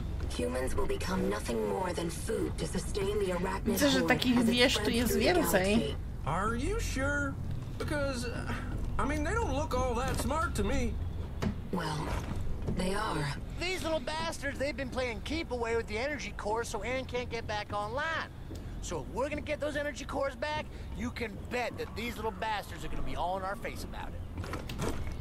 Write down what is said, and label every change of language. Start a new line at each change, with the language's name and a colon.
English: Humans will become nothing more than food to sustain the arachnid horde.
Polish: Że takich wież tu jest więcej.
English: Are you sure? Because I mean, they don't look all that smart to me. Well, they are. These little bastards, they've been playing keep away with the energy core so Aaron can't get back online. So if we're gonna get those energy cores back, you can bet that these little bastards are gonna be all in our face about it.